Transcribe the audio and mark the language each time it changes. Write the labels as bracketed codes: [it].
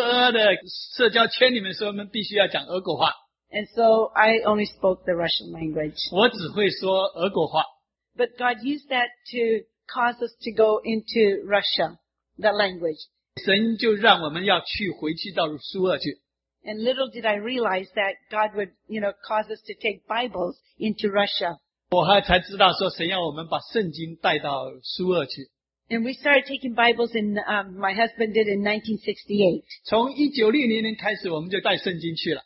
[zh] 哦，他说因为我们在这个苏俄的社交圈里面，所以我们必须要讲俄国话。 [en] And so I only spoke the Russian language. [zh] 我只会说俄国话。 [en] But God used that to cause us to go into Russia, that language. [zh] 神就让我们要去回去到苏俄去。 [en] And little did I realize that God would, you know, cause us to take Bibles into Russia. And we started taking Bibles in, my husband did in 1968.